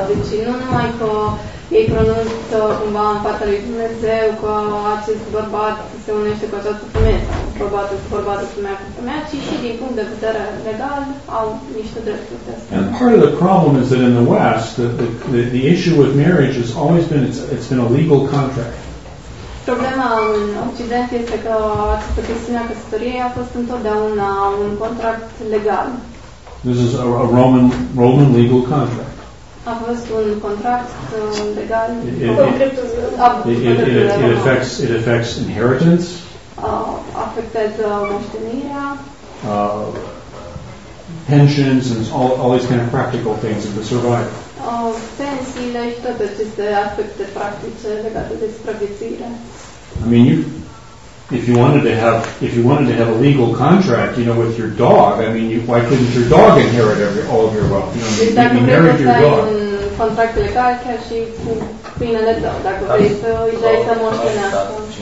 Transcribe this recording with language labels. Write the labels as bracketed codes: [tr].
[ro] Deci nu numai că ei pronunță cumva în fața lui Dumnezeu că acest bărbat se unește cu această femeie, bărbatul cu bărbatul, femeia cu femeia, ci și din punct de vedere legal au niște drepturi. [en] And part of the problem is that in the West, the issue with marriage has always been, it's been a legal contract. [ro] Problema în Occident este că această chestiune a căsătoriei a fost întotdeauna un contract legal. [en] This is a Roman legal contract. [ro] A fost un contract legal. [en] It affects inheritance. [ro] Afectează moștenirea. [en] Pensions and all these kind of practical things of the survivor. [ro] Pensiile și toate aceste aspecte practice legate de supraviețuire. [en] I mean, if you wanted to have a legal contract, you know, with your dog, I mean, why couldn't your dog inherit all of your wealth? You know, exactly. You married your dog. [ro] Contract legal, chiar și cu câinele tău, dacă vrei să îi dai să moștenească.